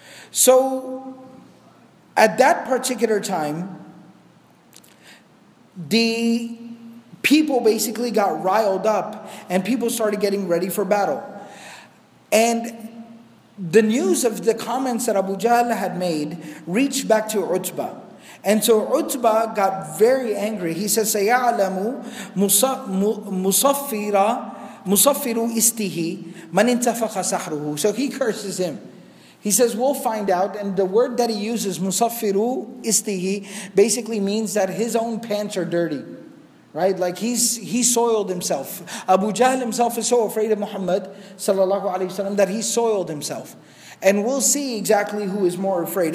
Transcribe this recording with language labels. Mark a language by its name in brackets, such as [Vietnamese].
[English] So at that particular time, the people basically got riled up and people started getting ready for battle. And the news of the comments that Abu Jahl had made reached back to Utbah. And so Utbah got very angry. He says, [Arabic] سَيَعْلَمُ مُصَفِّرُ إِسْتِهِ مَنْ انْتَفَخَ سَحْرُهُ. [English] So he curses him. He says, we'll find out. And the word that he uses, [Arabic] مُصَفِّرُ إِسْتِهِ, [English] basically means that his own pants are dirty. Right? Like he soiled himself. Abu Jahl himself is so afraid of Muhammad sallallahu alayhi wa sallam that he soiled himself. And we'll see exactly who is more afraid.